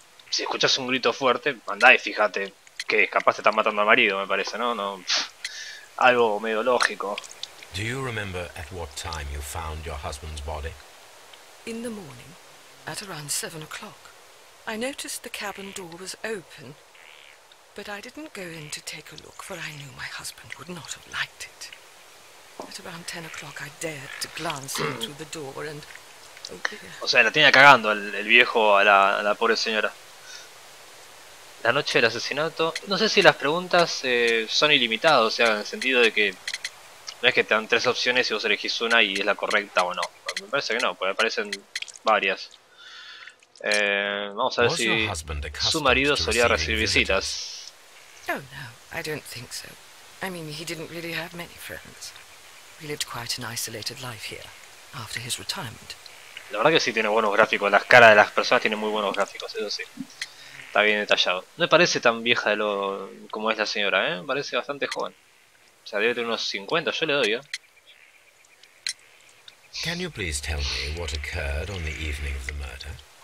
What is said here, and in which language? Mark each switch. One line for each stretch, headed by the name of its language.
Spanish: Si escuchas un grito fuerte, andá y fíjate que capaz te están matando al marido, me parece, ¿no? No, pff, algo medio lógico.
English: Do you remember at what time you found your husband's body? In the morning, at around 7 o'clock. I noticed the cabin door was open, but I didn't go in to take a look, for I knew my husband would not have liked it. At around 10 o'clock, I dared to glance in through the door and.
Spanish: O sea, la tenía cagando el viejo a la pobre señora. La noche del asesinato. No sé si las preguntas son ilimitadas, o sea, en el sentido de que no es que te dan tres opciones y vos elegís una y es la correcta o no. Me parece que no, porque aparecen varias. vamos a ver si su marido solía recibir visitas.
English: Oh no, I don't think so. I mean, he didn't really have many friends. He lived quite an isolated life here after his retirement.
Spanish: La verdad que sí tiene buenos gráficos, las caras de las personas tienen muy buenos gráficos, eso sí. Está bien detallado. No me parece tan vieja de lo como es la señora, ¿eh? Parece bastante joven. O sea, debe tener unos 50, yo le doy, ¿eh?
English: Can you please tell me what occurred on the evening of the murder?